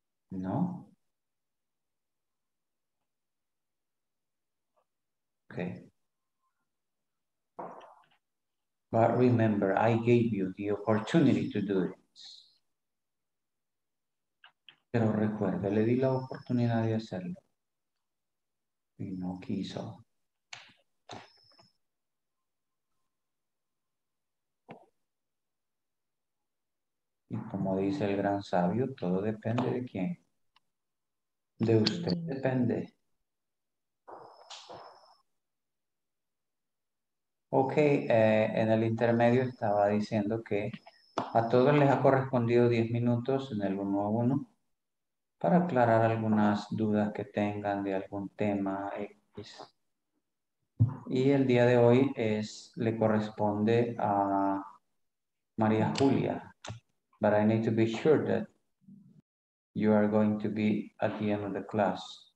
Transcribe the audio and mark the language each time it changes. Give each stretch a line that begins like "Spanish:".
English: No. Okay. But remember, I gave you the opportunity to do it.
Spanish: Pero recuerda, le di la oportunidad de hacerlo. Y no quiso. Y como dice el gran sabio, todo depende de quién. De usted depende. Ok, en el intermedio estaba diciendo que a todos les ha correspondido 10 minutos en el 1-1 para aclarar algunas dudas que tengan de algún tema X. Y el día de hoy es, le corresponde a María Julia.
English: But I need to be sure that you are going to be at the end of the class.